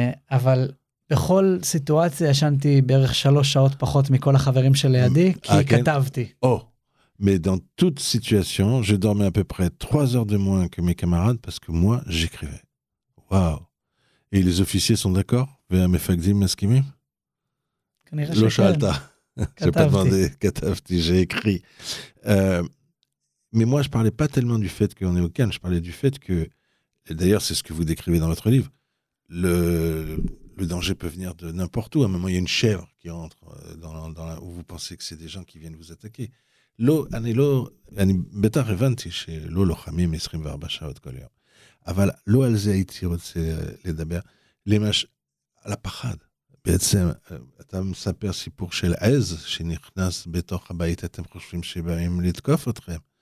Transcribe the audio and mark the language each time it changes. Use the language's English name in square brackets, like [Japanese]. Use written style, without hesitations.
[Hebrew] אבל בכל סיטואציה ישנתי בערך 3 שעות פחות מכל החברים שלידי, כי כתבתי. [French] Mais dans toute situation, je dormais à peu près 3 heures de moins que mes camarades parce que moi, j'écrivais. Waouh! Et les officiers sont d'accord? [Hebrew] Ve'amefakdim maskimim? Lo shalta. [French] Je n'ai pas demandé. [Hebrew] Katavti, [French] j'ai écrit. Mais moi, je ne parlais pas tellement du fait qu'on est au Cannes. Je parlais du fait que, et d'ailleurs, c'est ce que vous décrivez dans votre livre, le danger peut venir de n'importe où. À un moment, il y a une chèvre qui entre où vous pensez que c'est des gens qui viennent vous attaquer. [Hebrew] לא, אני לא, אני בטח הבנתי שלא לוחמים 24 שעות כל יום, אבל לא על זה הייתי רוצה לדבר, על הפחד. בעצם, אתה מספר סיפור של עז שנכנס בתוך הבית, אתם חושבים שבאים לתקוף אתכם.